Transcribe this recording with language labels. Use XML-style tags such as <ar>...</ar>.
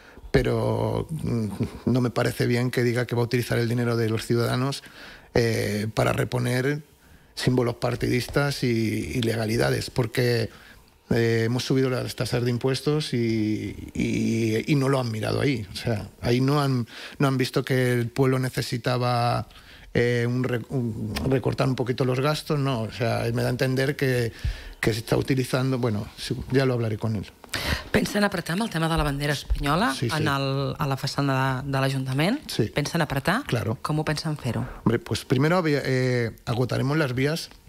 <es>Pero no me parece bien que diga que va a utilizar el dinero de los ciudadanos para reponer símbolos partidistas y legalidades, porque hemos subido las tasas de impuestos y no lo han mirado ahí. O sea, ahí no han visto que el pueblo necesitaba recortar un poquito los gastos, no. O sea, me da a entender que se está utilizando... Bueno, sí, ya lo hablaré con él.</es> <ca>Pensen apretar amb el tema de la bandera espanyola, sí, sí, a la façana de l'Ajuntament? Sí. Pensen apretar?</ca> <es>Claro.</es> <ca>Com ho pensen fer-ho?</ca> <es>Hombre, pues primero agotaremos las vías...</es>